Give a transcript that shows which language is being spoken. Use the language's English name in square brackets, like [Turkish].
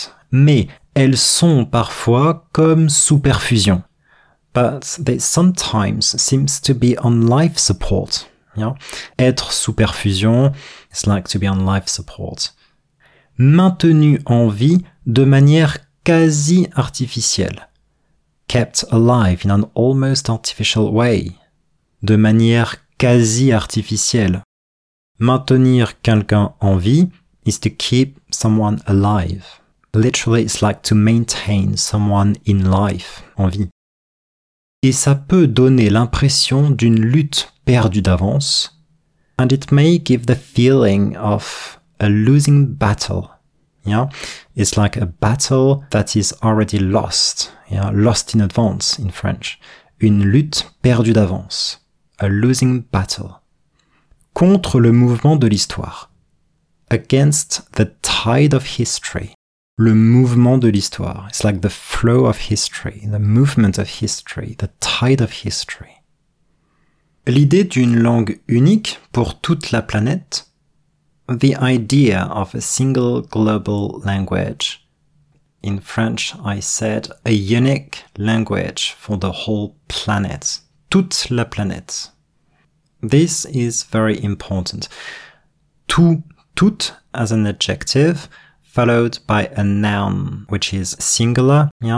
[French] Mais, elles sont parfois comme sous perfusion. [English] But they sometimes seems to be on life support. [French] Être sous perfusion, [English] it's like to be on life support. [French] Maintenu en vie de manière quasi artificielle. [English] Kept alive in an almost artificial way. [French] De manière quasi artificielle. Maintenir quelqu'un en vie [English] is to keep someone alive. Literally, it's like to maintain someone in life, [French] en vie. Et ça peut donner l'impression d'une lutte perdue d'avance. [English] And it may give the feeling of a losing battle. It's like a battle that is already lost. Lost in advance in French. [French] Une lutte perdue d'avance. [English] A losing battle. [French] Contre le mouvement de l'histoire. [English] Against the tide of history. [French] Le mouvement de l'histoire. [English] It's like the flow of history, the movement of history, the tide of history. [French] L'idée d'une langue unique pour toute la planète. [English] The idea of a single global language. In French, I said a unique language for the whole planet. [French] Toute la planète. [English] This is very important. Tout, toute as an adjective. Followed by a noun, which is singular,